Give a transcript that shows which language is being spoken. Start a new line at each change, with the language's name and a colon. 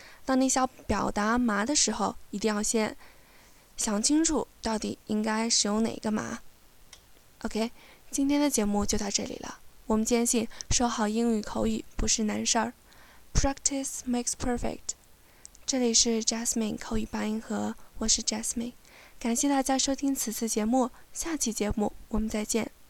Chinese: 当你想表达麻的时候，一定要先想清楚到底应该使用哪个麻。 OK, 今天的节目就到这里了。我们坚信说好英语口语不是难事儿。
English: Practice makes perfect.
Chinese: 这里是 Jasmine 口语八音盒，我是 Jasmine。感谢大家收听此次节目，下期节目我们再见。